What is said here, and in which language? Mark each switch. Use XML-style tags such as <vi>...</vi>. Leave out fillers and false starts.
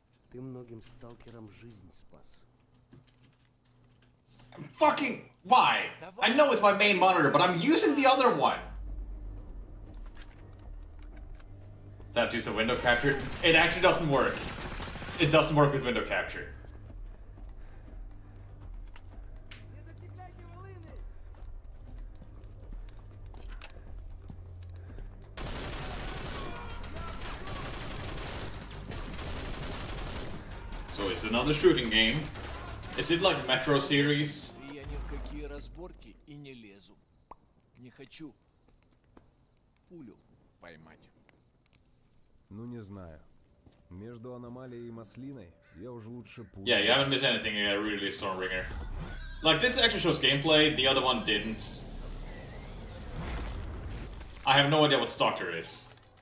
<ru>Ты многим сталкерам жизнь спас.</ru> <en>Fucking why? I know it's my main monitor, but I'm using the other one. So I have to use a window capture. It actually doesn't work. It doesn't work with window capture. Another shooting game. Is it like Metro series?</en> <ru>Я ни в какие разборки и не лезу. Не хочу пулю поймать. Ну не знаю. Между аномалией и маслиной я уже лучше пулю.</ru> <en>Yeah, you haven't missed anything, really, Stormbringer. Like, this actually shows gameplay, the other one didn't. I have no idea what Stalker is.</en>